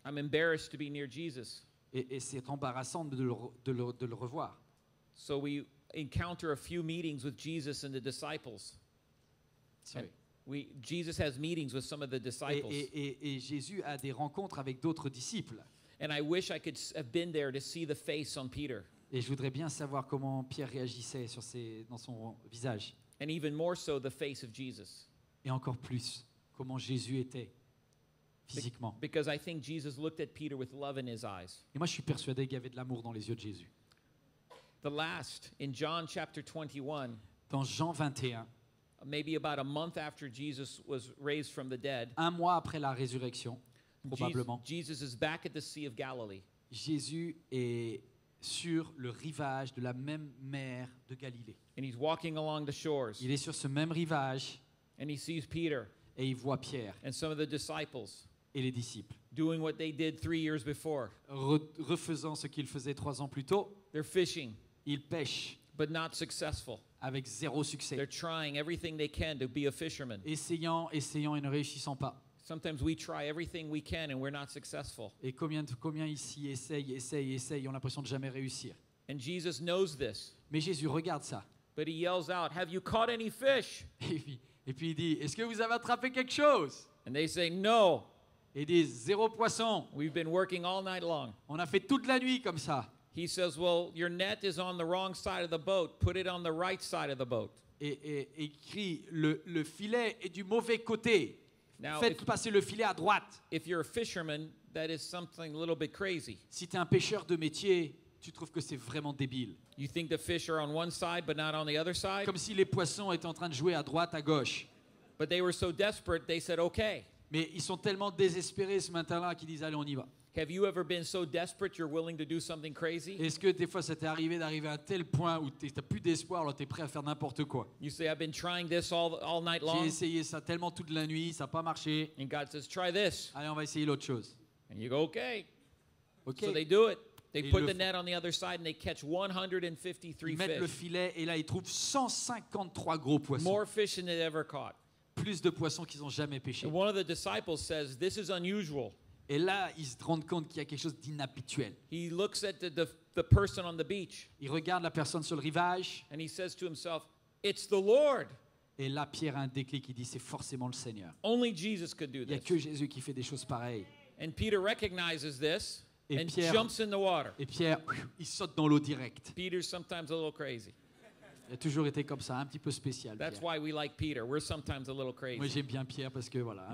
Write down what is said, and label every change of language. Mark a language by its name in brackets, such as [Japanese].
[English] I'm embarrassed to be near Jesus. [French] Et c'est embarrassant de le revoir. [English] So we encounter a few meetings with Jesus and the disciples. Sorry. Jesus has meetings with some of the disciples. [French] Et Jésus a des rencontres avec d'autres disciples. [English] And I wish I could have been there to see the face on Peter. [French] Et je voudrais bien savoir comment Pierre réagissait dans son visage. [English] And even more so the face of Jesus. [French] Et encore plus comment Jésus était. Physiquement. [English] Because I think Jesus looked at Peter with love in his eyes. [French] Et moi, je suis persuadé qu'il y avait de l'amour dans les yeux de Jésus. [English] The last in John chapter 21. [French] Dans Jean 21. [English] Maybe about a month after Jesus was raised from the dead. [French] Un mois après la résurrection, probablement. [English] Jesus is back at the Sea of Galilee. [French] Jésus est sur le rivage de la même mer de Galilée. [English] And he's walking along the shores. [French] Il est sur ce même rivage. [English] And he sees Peter. [French] Et il voit Pierre. [English] And some of the disciples. [French] Et les disciples. [English] Doing what they did 3 years before. [French] Refaisant ce qu'ils faisaient 3 ans plus tôt. [English] They're fishing. [French] Ils pêchent. [English] But not successful. [French] Avec zéro succès. [English] They're trying everything they can to be a fisherman. [French] Essayant et ne réussissant pas. [English] Sometimes we try everything we can and we're not successful. [French] Et combien ici essayent, ont l'impression de jamais réussir. [English] And Jesus knows this. [French] Mais Jésus regarde ça. [English] But he yells out, "Have you caught any fish?" [French] Et puis il dit, est-ce que vous avez attrapé quelque chose? [English] And they say, "No." [French] Et disent, zéro poisson. [English] We've been working all night long. [French] On a fait toute la nuit comme ça. [English] He says, "Well, your net is on the wrong side of the boat. Put it on the right side of the boat." [French] Et crie, le filet est du mauvais côté. Now, faites passer le filet à droite. [English] If you're a fisherman, that is something a little bit crazy. [French] Si t'es un pêcheur de métier, tu trouves que c'est vraiment débile. [English] You think the fish are on one side but not on the other side? [French] Comme si les poissons étaient en train de jouer à droite à gauche. [English] But they were so desperate, they said, "Okay." [French] Mais ils sont tellement désespérés ce matin-là qu'ils disent, allez, on y va. [English] Have you ever been so desperate you're willing to do something crazy? [French] Est-ce que des fois ça t'est arrivé d'arriver à tel point où t'as plus d'espoir, alors t'es prêt à faire n'importe quoi? [English] You say, "I've been trying this all night long." [French] J'ai essayé ça tellement toute la nuit, ça a pas marché. [English] And God says, "Try this." [French] Allez, on va essayer l'autre chose. [English] And you go, "Okay." Okay. So they do it. They et put the net on the other side and they catch 153 fish. [French] Ils mettent le filet et là ils trouvent 153 gros poissons. More fish than they ever caught. Plus de poissons qu'ils ont jamais pêché. And one of the disciples says, "This is unusual." Et là, ils se rendent compte qu'il y a quelque chose d'inhabituel. He looks at the person on the beach. Il regarde la personne sur le rivage. And he says to himself, "It's the Lord." Et là, Pierre a un déclic. Il dit, c'est forcément le Seigneur. Only Jesus could do this. Il n'y a que Jésus qui fait des choses pareilles. [English] And Peter recognizes this [French] et [English] and [French] Pierre, [English] jumps in the water. [French] Et Pierre, il saute dans l'eau direct. [English] Peter's sometimes a little crazy. [French] Il a toujours été comme ça, un petit peu spécial. [English] That's [French] Pierre. [English] Why we like Peter. We're sometimes a little crazy. [French] Moi, j'aime bien Pierre parce que voilà,